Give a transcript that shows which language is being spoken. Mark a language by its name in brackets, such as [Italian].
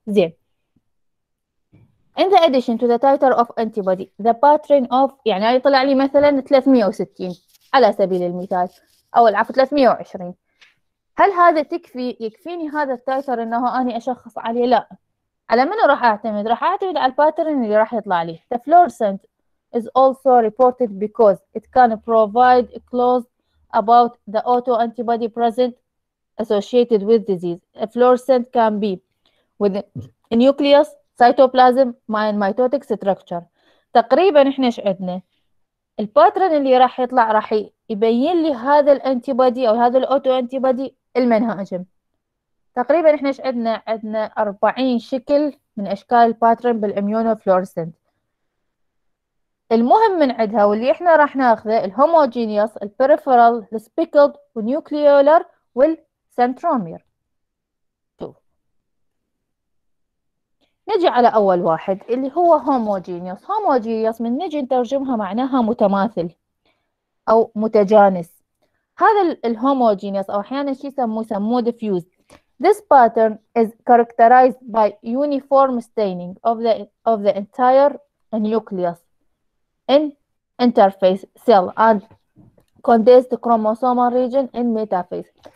[Arabic] زين in the addition to the titer of antibody the pattern of يعني انا طلع لي مثلا 360 على سبيل المثال او العفو 320 هل هذا تكفي يكفيني هذا التايتر انه اني اشخص عليه؟ لا. على منو راح اعتمد؟ راح اعتمد على الباترن اللي راح يطلع لي. [English] The fluorescent is also reported because it can provide clues about the autoantibody present associated with disease. A fluorescent can be with a nucleus, cytoplasm, and mitotic structure. [Arabic] تقريبا احنا ايش عندنا؟ الباترن اللي راح يطلع راح يبين لي هذا الانتيبادي او هذا الاوتو انتيبادي المنهاجم. تقريبا احنا ايش عندنا؟ عندنا 40 شكل من اشكال الباترن بالاميونو فلورسنت. المهم من عندها واللي احنا راح ناخذه الهوموجينيوس، البريفرال، السبيكلد، والنيوكليولر، والسنترومير. نجي على اول واحد اللي هو هوموجينيوس. هوموجينيوس من نجي نترجمها معناها متماثل او متجانس. هذا الهوموجينيوس او احيانا شي يسموه ديفيوز. [English] This pattern is characterized by uniform staining of the entire nucleus in interface cell and contains the chromosomal region in metaphase.